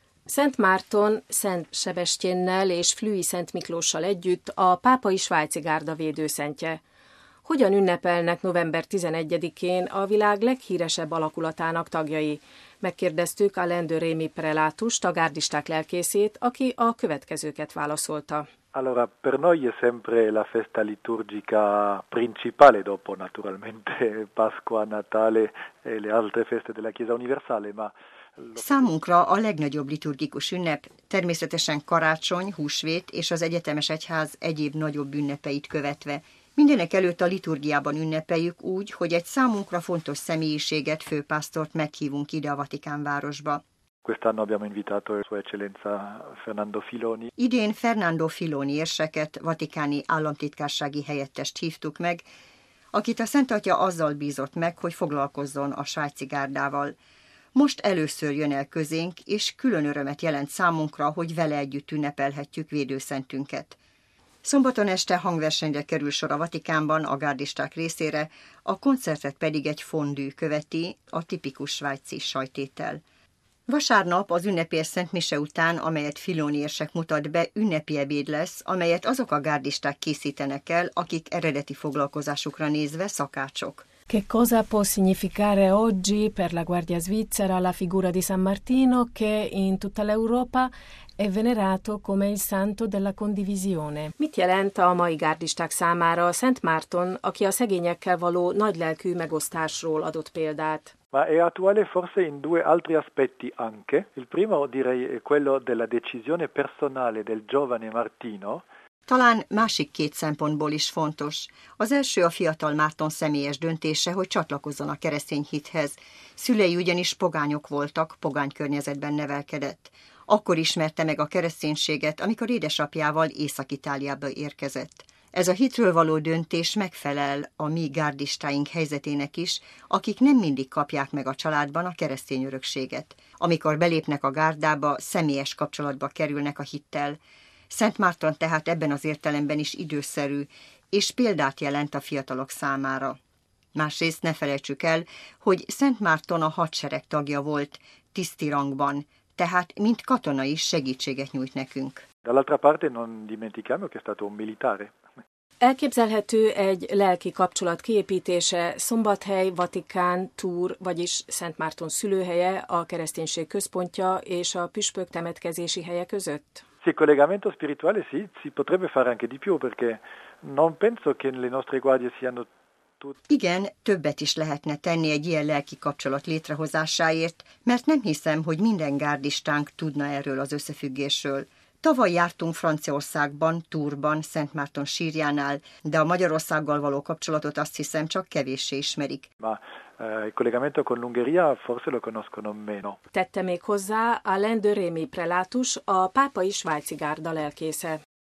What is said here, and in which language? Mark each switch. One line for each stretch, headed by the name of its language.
Hungarian: Szent Márton Szent Sebestyénnel és Flüi Szent Miklóssal együtt a pápai svájci gárda védőszentje. Hogyan ünnepelnek november 11-én a világ leghíresebb alakulatának tagjai? Megkérdeztük Alain de Rémy prelátust, a gárdisták lelkészét, aki a következőket válaszolta.
Italian: Allora, per noi è sempre la festa liturgica principale dopo naturalmente Pasqua, Natale e le altre feste della Chiesa universale, ma
Hungarian: számunkra a legnagyobb liturgikus ünnep természetesen karácsony, húsvét és az egyetemes egyház egyéb nagyobb ünnepeit követve. Mindenek előtt a liturgiában ünnepeljük úgy, hogy egy számunkra fontos személyiséget, főpásztort meghívunk ide a Vatikán városba.
Italian: Quest'anno abbiamo invitato Sua Eccellenza Fernando Filoni.
Hungarian: Idén Fernando Filoni érseket, vatikáni államtitkársági helyettest hívtuk meg, akit a Szent Atya azzal bízott meg, hogy foglalkozzon a svájci gárdával. Most először jön el közénk, és külön örömet jelent számunkra, hogy vele együtt ünnepelhetjük védőszentünket. Szombaton este hangversenyre kerül sor a Vatikánban a gárdisták részére, a koncertet pedig egy fondű követi, a tipikus svájci sajtétel. Vasárnap az ünnepér Szent Mise után, amelyet Filoni érsek mutat be, ünnepi ebéd lesz, amelyet azok a gárdisták készítenek el, akik eredeti foglalkozásukra nézve szakácsok.
Italian: Che cosa può significare oggi per la Guardia Svizzera la figura di San Martino, che in tutta l'Europa è venerato come il santo della condivisione?
Hungarian: Mit jelent a mai gárdisták számára Szent Márton, aki a szegényekkel való nagylelkű megosztásról adott példát?
Italian: Ma è attuale forse in due altri aspetti anche. Il primo direi è quello della decisione personale del giovane Martino.
Hungarian: Talán másik két szempontból is fontos. Az első a fiatal Márton személyes döntése, hogy csatlakozzon a keresztény hithez. Szülei ugyanis pogányok voltak, pogány környezetben nevelkedett. Akkor ismerte meg a kereszténységet, amikor édesapjával Észak-Itáliába érkezett. Ez a hitről való döntés megfelel a mi gárdistáink helyzetének is, akik nem mindig kapják meg a családban a keresztény örökséget. Amikor belépnek a gárdába, személyes kapcsolatba kerülnek a hittel. Szent Márton tehát ebben az értelemben is időszerű, és példát jelent a fiatalok számára. Másrészt ne felejtsük el, hogy Szent Márton a hadsereg tagja volt, tiszti rangban, tehát mint katona is segítséget nyújt nekünk.
Italian: Dall'altra parte non dimentichiamo che è stato un militare.
Hungarian: Elképzelhető egy lelki kapcsolat kiépítése Szombathely, Vatikán, Túr, vagyis Szent Márton szülőhelye, a kereszténység központja és a püspök temetkezési helye között?
Italian: Sì, collegamento spirituale sì, si potrebbe fare anche di più, perché non penso che le nostre guardie siano tutte.
Hungarian: Igen, többet is lehetne tenni egy ilyen lelki kapcsolat létrehozásáért, mert nem hiszem, hogy minden gárdistánk tudna erről az összefüggésről. Tavaly jártunk Franciaországban, Tourban, Szent Márton sírjánál, de a Magyarországgal való kapcsolatot azt hiszem csak kevéssé ismerik.
Italian: Ma, il collegamento con l'Ungheria forse lo conoscono meno.
Hungarian: Tette még hozzá Alain de Rémy prelátus, a pápai svájci gárda lelkésze.